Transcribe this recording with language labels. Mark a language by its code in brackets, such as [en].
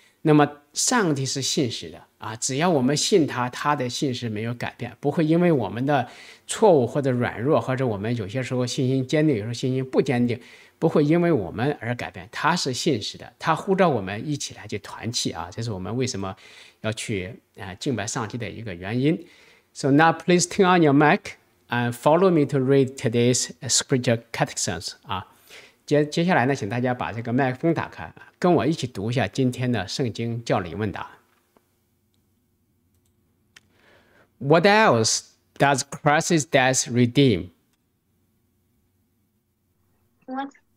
[zh] 那么上帝是信实的啊，只要我们信他，他的信实没有改变，不会因为我们的错误或者软弱，或者我们有些时候信心坚定，有时候信心不坚定，不会因为我们而改变。他是信实的，他呼召我们一起来去团契啊，这是我们为什么要去敬拜上帝的一个原因。 [en] So now please turn on your mic and follow me to read today's scripture catechisms 啊。 [zh] 接下来呢，请大家把这个麦克风打开，跟我一起读一下今天的圣经教理问答。 [en] What else does Christ's death redeem? What?